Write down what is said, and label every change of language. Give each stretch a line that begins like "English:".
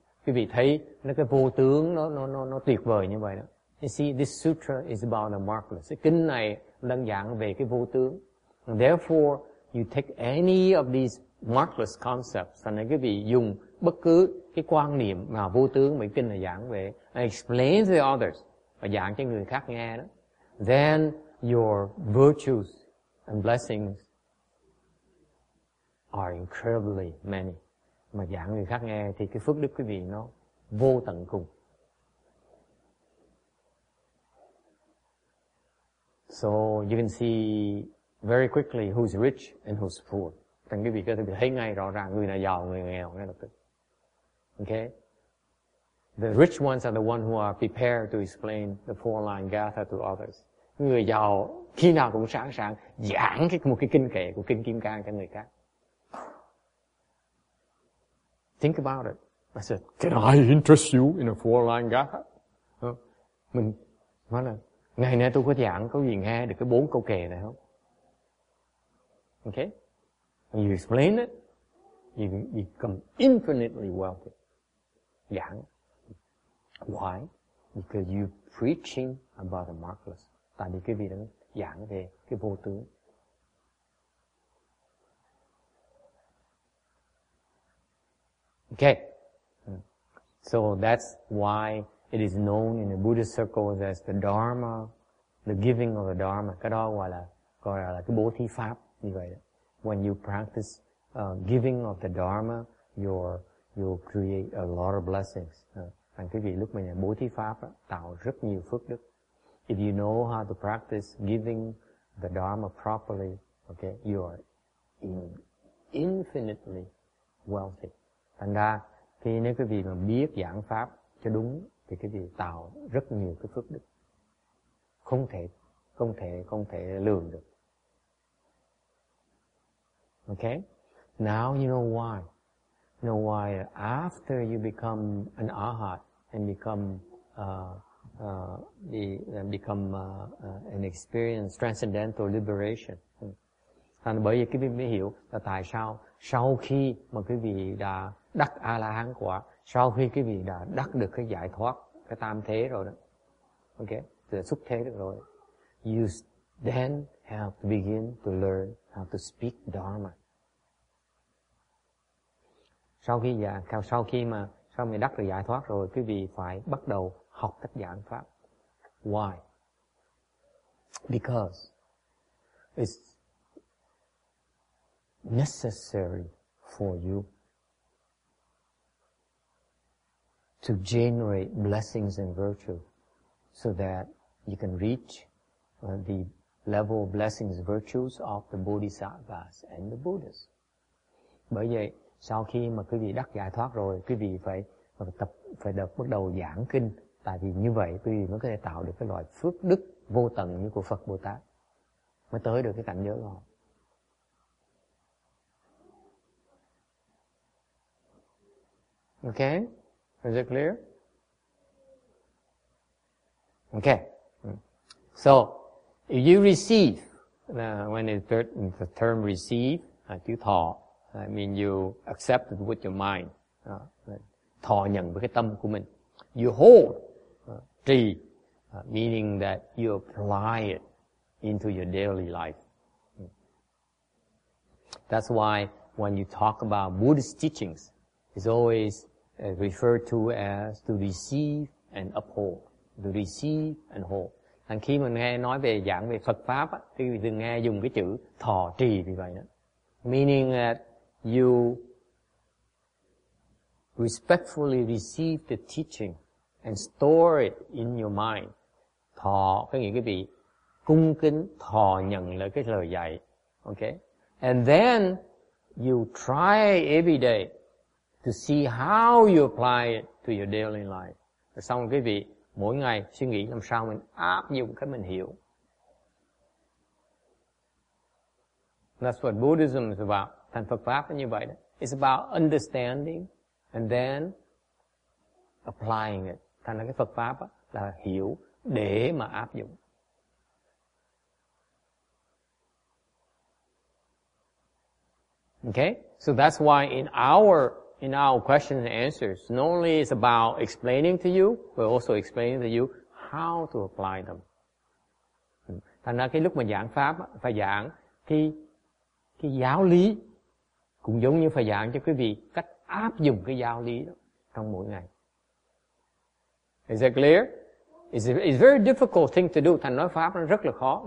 Vietnamese: Quý vị thấy nó cái vô tướng nó tuyệt vời như vậy đó.
English: You see, this sutra is about the markless.
Vietnamese: Cái kinh này đang giảng về cái vô tướng.
English: And therefore, you take any of these markless concepts, and
Vietnamese: quý vị dùng bất cứ cái quan niệm mà vô tướng mà kinh này giảng về,
English: and explain to the others,
Vietnamese: và giảng cho người khác nghe đó.
English: Then your virtues and blessings are incredibly many.
Vietnamese: Mà giảng người khác nghe thì cái phước đức quý vị nó vô tận cùng.
English: So you can see very quickly who's rich and who's poor.
Vietnamese: Thành quý vị có thể thấy ngay rõ ràng người nào giàu, người nghèo ngay lập tức.
English: Okay? The rich ones are the ones who are prepared to explain the four line gatha to others.
Vietnamese: Người giàu khi nào cũng sẵn sàng giảng một cái kinh kệ của kinh Kim Cang cho người khác.
English: Think about it. I said, can I interest you in a four-line gatha?
Vietnamese: Mình nói là, ngày nay tôi có giảng, có gì nghe được cái bốn câu kệ này không?
English: Okay? And you explain it, you become infinitely wealthy.
Vietnamese: Giảng.
English: Why? Because you're preaching about the markless.
Vietnamese: Tại vì cái vị đang giảng về cái vô tướng.
English: Okay, so that's why it is known in the Buddhist circles as the Dharma, the giving of the Dharma.
Vietnamese: Cái đó gọi là cái bố thí pháp như vậy.
English: When you practice giving of the Dharma, you'll create a lot of blessings.
Vietnamese: Thành quý vị lúc mình bố thí pháp tạo rất nhiều phước đức.
English: If you know how to practice giving the Dharma properly, okay, you are infinitely wealthy.
Vietnamese: Thành ra, khi nếu quý vị mà biết giảng pháp cho đúng, thì quý vị tạo rất nhiều cái phước đức. Không thể lường được.
English: Okay? Now you know why. You know why after you become an arhat and become an experience transcendental liberation.
Vietnamese: Thành bởi vì quý vị mới hiểu là tại sao sau khi mà quý vị đã đắc A-la-hán quả, sau khi quý vị đã đắc được cái giải thoát, cái tam thế rồi đó, ok, từ xuất thế được rồi,
English: you then have to begin to learn how to speak Dharma.
Vietnamese: Sau khi đắc được giải thoát rồi, quý vị phải bắt đầu học cách giảng pháp.
English: Why? Because it's necessary for you to generate blessings and virtue so that you can reach the level of blessings and virtues of the Bodhisattvas and the Buddhas.
Vietnamese: Bởi vậy, sau khi mà quý vị đắc giải thoát rồi, quý vị phải bắt đầu giảng kinh. Tại vì như vậy, quý vị mới có thể tạo được cái loại phước đức vô tận như của Phật Bồ Tát. Mới tới được cái cảnh giới đó.
English: Okay? Is it clear? Okay. So, if you receive, when the term receive,
Vietnamese: chữ thọ,
English: I mean you accept it with your mind.
Vietnamese: Thọ nhận với cái tâm của mình.
English: You hold, trì, meaning that you apply it into your daily life. That's why when you talk about Buddhist teachings, it's always referred to as to receive and uphold. To receive and hold.
Vietnamese: Thằng khi mà nghe nói về giảng về Phật Pháp, thì quý vị thường nghe dùng cái chữ thọ trì vì vậy đó.
English: Meaning that you respectfully receive the teaching and store it in your mind.
Vietnamese: Thọ có nghĩa quý vị cung kính thọ nhận lại cái lời dạy.
English: Okay? And then you try every day to see how you apply it to your daily life.
Vietnamese: Xong quý vị mỗi ngày suy nghĩ làm sao mình áp dụng cái mình hiểu.
English: That's what Buddhism is about.
Vietnamese: Thành Phật Pháp như vậy đó.
English: It's about understanding and then applying it.
Vietnamese: Thành ra cái Phật Pháp là hiểu để mà áp dụng.
English: Okay? So that's why in our questions and answers, not only is about explaining to you, but also explaining to you how to apply them.
Vietnamese: Thành ra cái lúc mà giảng Pháp, phải giảng cái giáo lý, cũng giống như phải giảng cho quý vị cách áp dụng cái giáo lý đó trong mỗi ngày.
English: Is that clear? It's a very difficult thing to do.
Vietnamese: Thành nói Pháp nó rất là khó.